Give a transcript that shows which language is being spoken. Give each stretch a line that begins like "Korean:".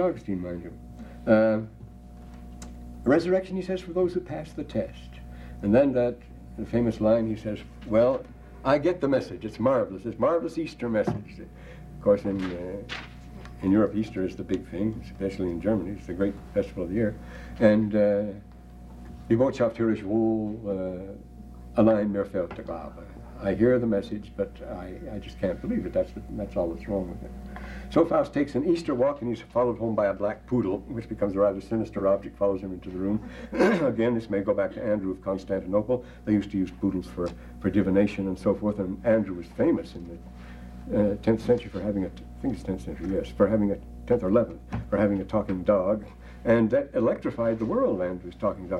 English: Augustine, mind you. Resurrection, he says, for those who pass the test. And then the famous line, he says, well, I get the message. It's marvelous. It's marvelous Easter message. Of course, in Europe, Easter is the big thing, especially in Germany. It's the great festival of the year.
German: And die Botschaft hör ich wohl, allein mir fehlt der Glaube.
English: I hear the message, but I just can't believe it. That's all that's wrong with it. So Faust takes an Easter walk, and he's followed home by a black poodle, which becomes a rather sinister object, follows him into the room. Again, this may go back to Andrew of Constantinople. They used to use poodles for divination and so forth, and Andrew was famous in the 10th century for having a having a talking dog, and that electrified the world. Andrew's talking dog.